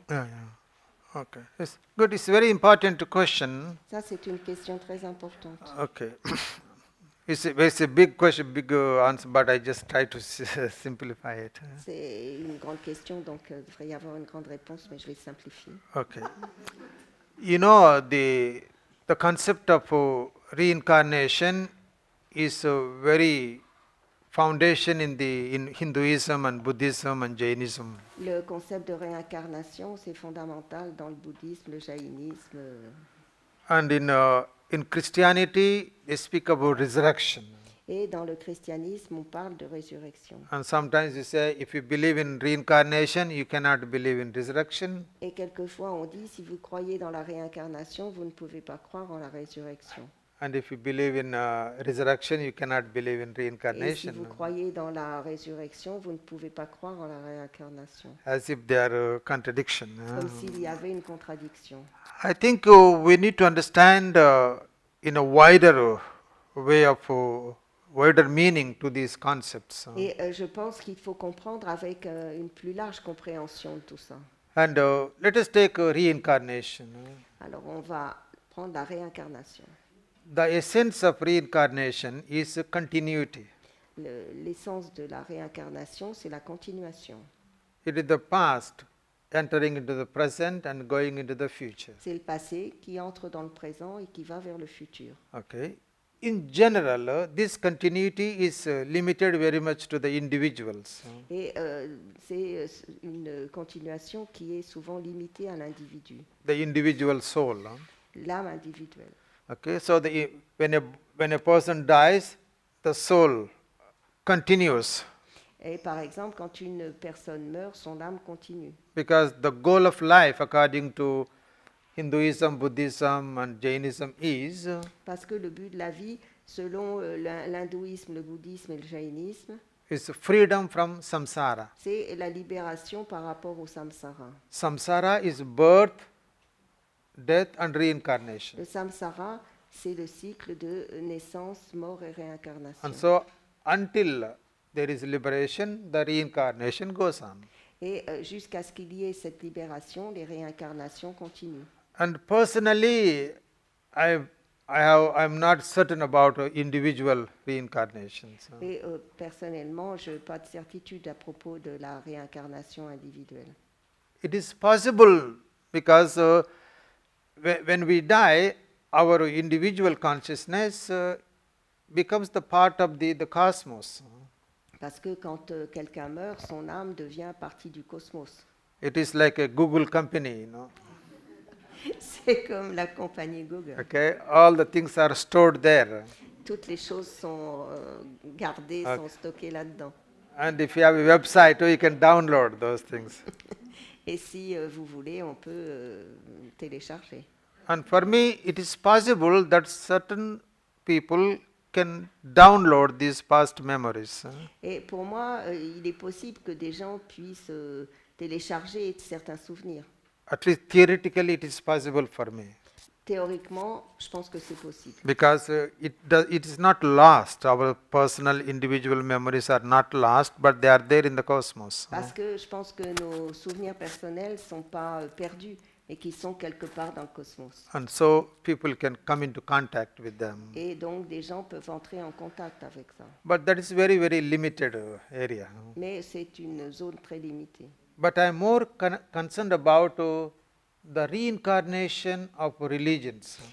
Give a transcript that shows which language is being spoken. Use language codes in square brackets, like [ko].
[en] Yeah. Okay. It's good. It's a very important question. [fr] Ça c'est une question très importante. [en] Okay. It's a big question, big answer, but I just try to simplify it. [fr] C'est une grande question, donc devrait y avoir une grande réponse, mais je vais simplifier. [en] Okay. You know, the concept of reincarnation is a very foundation in Hinduism and Buddhism and Jainism. [fr] Le concept de réincarnation, c'est fondamental dans le bouddhisme, le jainisme. [en] And in Christianity, they speak about resurrection. [fr] Et dans le christianisme, on parle de résurrection. [en] And sometimes you say, if you believe in reincarnation, you cannot believe in resurrection. [fr] Et quelquefois, on dit, si vous croyez dans la réincarnation, vous ne pouvez pas croire en la résurrection. [en] And if you believe in resurrection, you cannot believe in reincarnation. [fr] Et si vous croyez dans la résurrection, vous ne pouvez pas croire en la réincarnation. [en] As if there are a contradiction. [fr] Comme s'il y avait une contradiction. [en] I think we need to understand in a wider way of wider meaning to these concepts. [fr] Et je pense qu'il faut comprendre avec une plus large compréhension de tout ça. [en] And let us take reincarnation. [fr] Alors on va prendre la réincarnation. [en] The essence of reincarnation is continuity. [fr] L'essence de la réincarnation, c'est la continuation. [en] It is the past entering into the present and going into the future. [fr] C'est le passé qui entre dans le présent et qui va vers le futur. [en] Okay. In general, this continuity is limited very much to the individuals. [fr] Et c'est une continuation qui est souvent limitée à l'individu. [en] The individual soul. [fr] L'âme individuelle. [en] Okay, so when a person dies, the soul continues. [fr] Et par exemple, quand une personne meurt, son âme continue. [en] Because the goal of life, according to Hinduism, Buddhism, and Jainism, is. [fr] Parce que le but de la vie, selon l'hindouisme, le bouddhisme et le jainisme. [en] Is freedom from samsara. [fr] C'est la libération par rapport au samsara. [en] Samsara is birth. Death and reincarnation. [fr] Le samsara, c'est le cycle de naissance, mort et réincarnation. [en] And so, until there is liberation, the reincarnation goes on. [fr] Et jusqu'à ce qu'il y ait cette libération, les réincarnations continuent. [en] And personally, I'm not certain about individual reincarnation. So. [fr] Et personnellement, je n'ai pas de certitude à propos de la réincarnation individuelle. [en] It is possible because when we die, our individual consciousness becomes the part of the cosmos. [fr] Parce que quand quelqu'un meurt, son âme devient partie du cosmos. [en] It is like a Google company, you know. [fr] C'est comme la compagnie Google. [en] Okay, all the things are stored there. [fr] Toutes les choses sont gardées, okay. Sont stockées là-dedans. [en] And if you have a website, you can download those things. [fr] Et si vous voulez, on peut télécharger. [en] And for me, it is possible that certain people can download these past memories. [fr] Et pour moi, il est possible que des gens puissent télécharger certains souvenirs. [en] At least theoretically, it is possible for me. [fr] Théoriquement, je pense que c'est possible. [en] Because it is not lost. Our personal, individual memories are not lost, but they are there in the cosmos. [fr] Parce que je pense que nos souvenirs personnels ne sont pas perdus. Et qui sont quelque part dans le cosmos. [en] And so people can come into contact with them. [fr] Et donc des gens peuvent entrer en contact avec ça. [en] But that is very very limited area. [fr] Mais c'est une zone très limitée. [en] But I'm more concerned about the reincarnation of religions.